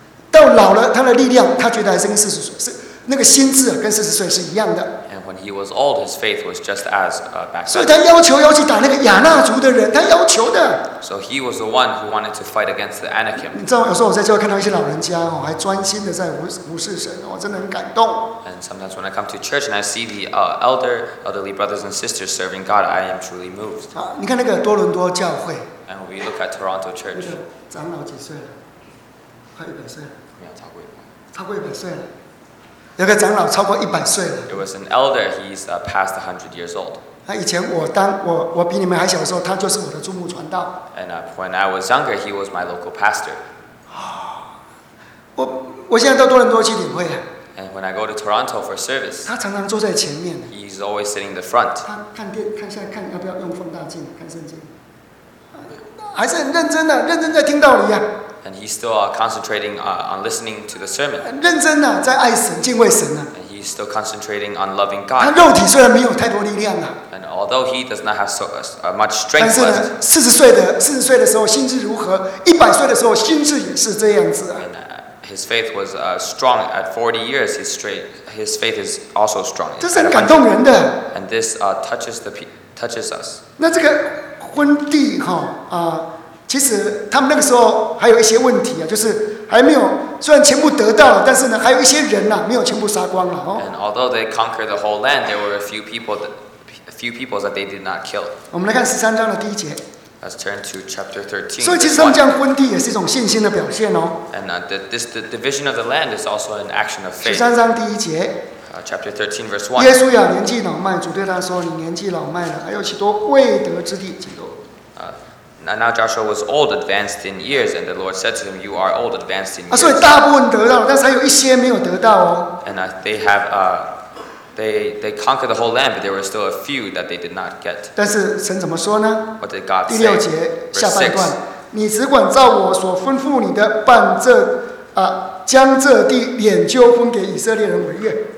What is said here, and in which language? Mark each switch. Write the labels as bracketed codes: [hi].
[zh] 到老了，他的力量，他觉得还是跟四十岁是那个心智跟四十岁是一样的。 [en] And when he was old, his faith was just as back. [zh] 所以他要求要去打那个亚纳族的人，他要求的。 [en] So he was the one who wanted to fight against the Anakim. [zh] 你知道，有时候我在教会看到一些老人家哦，还专心的在服侍神，我真的很感动。 [en] And sometimes when I come to church and I see the elderly brothers and sisters serving God, I am truly moved. [zh] 你看那个多伦多教会。 [en] And we look at Toronto Church. [zh] 长老几岁了？快一百岁了。超过一百岁了，有个长老超过一百岁了。 [en] It was an elder. He's past 100 years old. [zh] 他以前我比你们还小的时候，他就是我的注目传道。 [en] And when I was younger, he was my local pastor. [zh] 我现在到多伦多去领会。 [en] And when I go to Toronto for service, [zh] 他常常坐在前面。 [en] He's always sitting in the front. [zh] 他看电看现在看要不要用放大镜看圣经，还是很认真的，认真在听道理啊。 [en] And he's still concentrating on listening to the sermon. [zh] 认真啊，在爱神，敬畏神啊。 [en] And he's still concentrating on loving God. [zh] 他肉体虽然没有太多力量啊。 [en] And although he does not have so much strength, [zh] 但是40岁的时候心智如何？100岁的时候心智也是这样子啊。 [en] And his faith was strong at 40 years. His faith is also strong. [zh] 这是很感动人的。 [en] And this touches us. [zh] 那这个婚地哈啊。其实他们那个时候还有一些问题啊，就是还没有，虽然全部得到了，但是呢，还有一些人啊，没有全部杀光了哦。 [en] And although they conquered the whole land, there were a few people that they did not kill. [zh] 我们来看十三章的第一节。 [en] Let's turn to chapter 13. [zh] 所以其实他们这样分地也是一种信心的表现哦。 [en] And the division of the land is also an action of faith. [zh] 十三章第一节。 [en] Chapter 13, verse 1. [zh] 耶稣亚年纪老迈，主对他说：“你年纪老迈了，还有许多未得之地，几多。” [en] And now Joshua was old, advanced in years, and the Lord said to him, "You are old, advanced in years." [zh] 所以大部分得到，但是还有一些没有得到哦。 [en] And they have they conquered the whole land, but there were still a few that they did not get. [zh] 但是神怎么说呢？ [en] What did God say? [zh] 第六节下半段，你只管照我所吩咐你的办这啊，将这地免就分给以色列人为业。